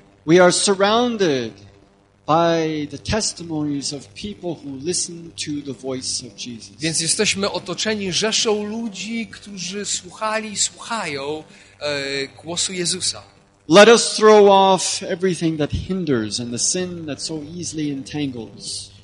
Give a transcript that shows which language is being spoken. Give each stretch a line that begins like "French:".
English: We are surrounded by the testimonies of people who listen to the voice of Jesus.
Polish: Więc jesteśmy otoczeni rzeszą ludzi, którzy słuchali, słuchają głosu Jezusa.
English: Let us throw off everything that hinders and the sin that so easily entangles.